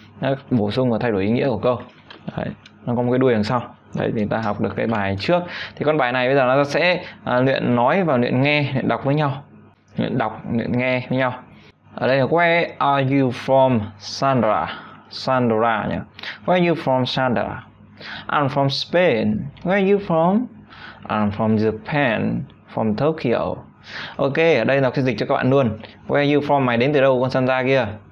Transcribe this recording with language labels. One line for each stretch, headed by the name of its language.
Vietnamese: Nó bổ sung và thay đổi ý nghĩa của câu. Đấy. Nó có một cái đuôi đằng sau. Đấy, thì ta học được cái bài trước. Thì con bài này bây giờ nó sẽ luyện nói và luyện nghe, luyện đọc với nhau. Luyện đọc, luyện nghe với nhau. Ở đây là
English: where are you from Sandra?
Vietnamese: Sandra nhỉ.
English: Where are you from Sandra? I'm from Spain. Where are you from? I'm from Japan, from Tokyo.
Vietnamese: Ok, ở đây đọc sẽ dịch cho các bạn luôn.
English: Where are you from?
Vietnamese: Mày đến từ đâu con Sandra kia?